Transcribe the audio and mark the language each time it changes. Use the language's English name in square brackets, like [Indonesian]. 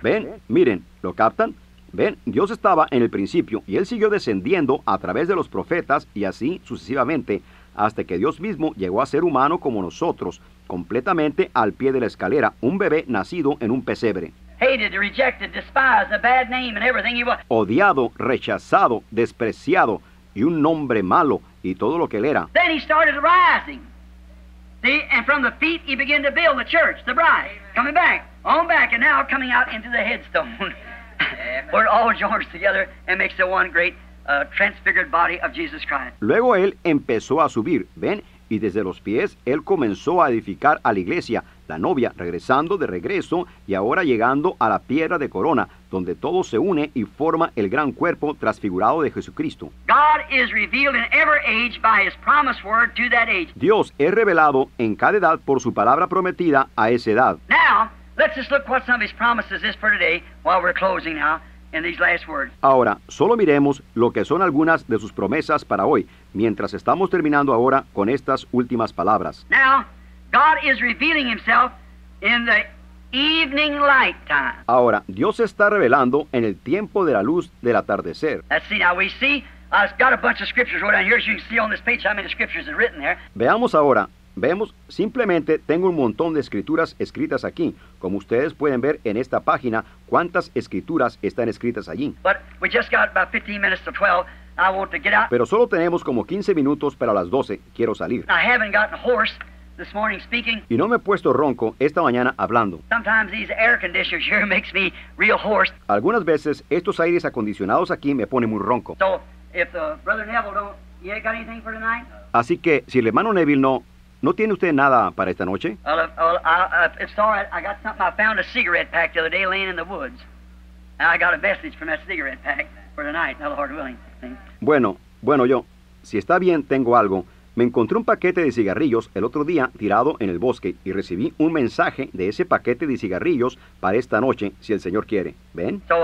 [Spanish] Ven, miren, ¿lo captan? Ven, Dios estaba en el principio y él siguió descendiendo a través de los profetas y así sucesivamente hasta que Dios mismo llegó a ser humano como nosotros, completamente al pie de la escalera, un bebé nacido en un pesebre. [English] Hated, rejected, despised, a bad name and everything he was. [Spanish] Odiado, rechazado, despreciado y un nombre malo. Y todo lo que él era. [English] Then he started rising. See, and from the feet he began to build the church, the bride. Amen. Coming back, on back, and now coming out into the headstone. Where it all joins together and makes the one great transfigured body of Jesus Christ. [Spanish] Luego él empezó a subir, ven, y desde los pies él comenzó a edificar a la iglesia, la novia, regresando de regreso y ahora llegando a la piedra de corona, donde todo se une y forma el gran cuerpo transfigurado de Jesucristo. [English] God is revealed in every age by his promised word to that age. [Spanish] Dios es revelado en cada edad por su palabra prometida a esa edad. [English] Now, let's just look what some of his promises is for today while we're closing now in these last words. [Spanish] Ahora, solo miremos lo que son algunas de sus promesas para hoy, mientras estamos terminando ahora con estas últimas palabras. [English] Now, God is revealing himself in the evening light time. [Spanish] Ahora, Dios está revelando en el tiempo de la luz del atardecer. [English] Let's see, now we see, I've got a bunch of scriptures right down here, as you can see on this page how many scriptures are written there. [Spanish] Veamos ahora, vemos, simplemente tengo un montón de escrituras escritas aquí, como ustedes pueden ver en esta página, cuántas escrituras están escritas allí. [English] But we just got about 15 minutes to 12. I want to get out. [Spanish] Pero solo tenemos como 15 minutos para las 12. Quiero salir. [English] I haven't gotten hoarse this morning speaking. [Spanish] Y no me he puesto ronco esta mañana hablando. [English] Sometimes these air conditioners here makes me real hoarse. [Spanish] Algunas veces estos aires acondicionados aquí me ponen muy ronco. [English] So, if Brother Neville don't, you ain't got anything for tonight? [Spanish] Así que, si el hermano Neville no, ¿no tiene usted nada para esta noche? [English] It's all right. I got something. I found a cigarette pack the other day laying in the woods. And I got a message from that cigarette pack for tonight, the Lord willing. [Spanish] Bueno, yo, si está bien, tengo algo. Me encontré un paquete de cigarrillos el otro día tirado en el bosque y recibí un mensaje de ese paquete de cigarrillos para esta noche, si el Señor quiere. ¿Ven?